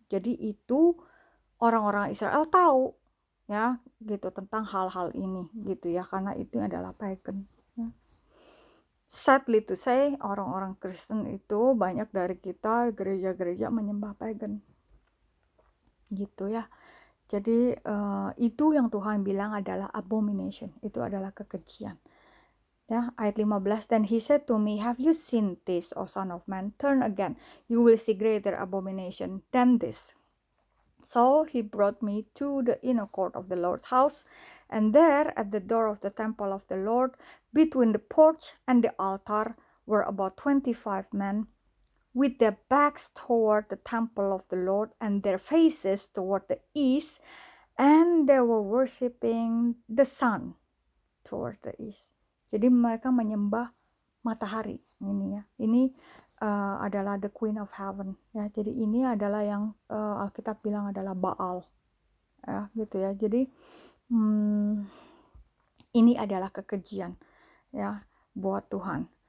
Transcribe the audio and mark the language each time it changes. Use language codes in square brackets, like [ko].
[id] Jadi itu orang-orang Israel tahu ya gitu tentang hal-hal ini gitu ya, karena itu adalah pagan ya. [en] Sadly to say, [id] orang-orang Kristen itu banyak dari kita gereja-gereja menyembah pagan gitu ya. Jadi itu yang Tuhan bilang adalah abomination, itu adalah kekejian. Ya, ayat 15, [en] then he said to me, have you seen this, O son of man? Turn again, you will see greater abomination than this. So he brought me to the inner court of the Lord's house, and there at the door of the temple of the Lord, between the porch and the altar, were about 25 men with their backs toward the temple of the Lord and their faces toward the east, and they were worshiping the sun toward the east. [id] Jadi mereka menyembah matahari ini ya. Ini adalah [en] the queen of heaven [id] ya. Jadi ini adalah yang Alkitab bilang adalah Baal. Ya, gitu ya. Jadi ini adalah kekejian ya buat Tuhan.